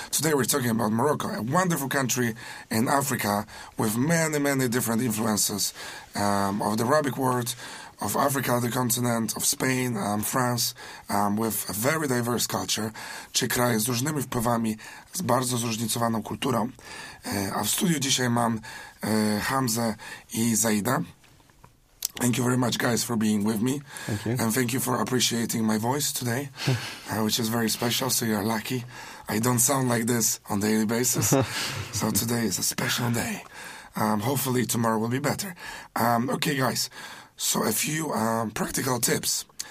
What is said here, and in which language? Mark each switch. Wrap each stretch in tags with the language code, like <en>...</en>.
<en>Today we're talking about Morocco, a wonderful country in Africa with many, many different influences of the Arabic world, of Africa, the continent, of Spain, France, with a very diverse culture.</en> <pl>Czy kraj z różnymi wpływami, z bardzo zróżnicowaną kulturą. A w studiu dzisiaj mam Hamza i Zaida.</pl> <en>Thank you very much, guys, for being with me. Thank you. And thank you for appreciating my voice today, which is very special, so you're lucky. I don't sound like this on a daily basis, so today is a special day. Hopefully tomorrow will be better. Okay, guys, so a few practical tips.</en>